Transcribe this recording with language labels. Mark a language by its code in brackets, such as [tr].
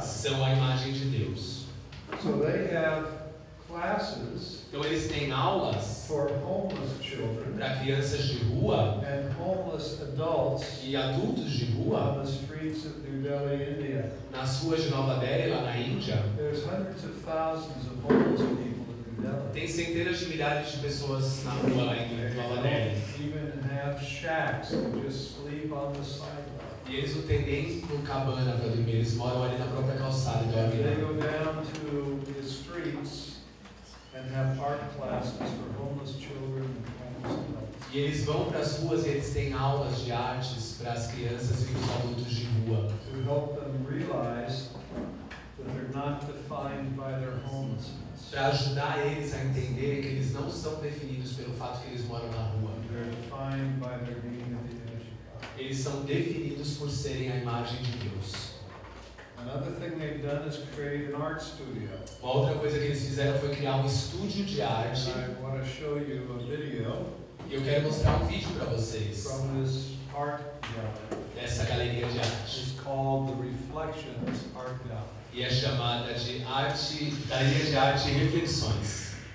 [pt] São a imagem de Deus. [en] So they have classes. [pt] Então eles têm aulas [en] for homeless children, [pt] para crianças de rua, [en] and homeless adults, [pt] e adultos de rua, [en] on the streets of New Delhi, India. [pt] Nas ruas de Nova Delhi, lá na Índia. [en] There's hundreds of thousands of homeless people in New Delhi. [pt] Tem centenas de milhares de pessoas na rua lá em Nova Delhi. [en] Even have shacks and just sleep on the sidewalk. [pt] E eles não têm nem um cabana para dormir, eles moram ali na própria calçada e dormem lá. [en] Down to the streets and have art classes for homeless children and homeless adults. [pt] E eles vão para as ruas e eles têm aulas de artes para as crianças e os adultos de rua. [en] To help them realize that they're not defined by their homelessness. [pt] Para ajudar eles a entender que eles não são definidos pelo fato que eles moram na rua. [en] They're defined by their being in the image. [pt] Eles são definidos por serem a imagem de Deus. [en] Another thing they've done is create an art studio. [pt] Uma outra coisa que eles fizeram foi criar um estúdio de arte. [en] And I want to show you a video. [pt] E eu quero mostrar um vídeo para vocês. [en] From this art gallery. [pt] Dessa galeria de arte. [en] It's called the Reflections Art Gallery. [pt] E é chamada de arte, galeria de arte Reflexões.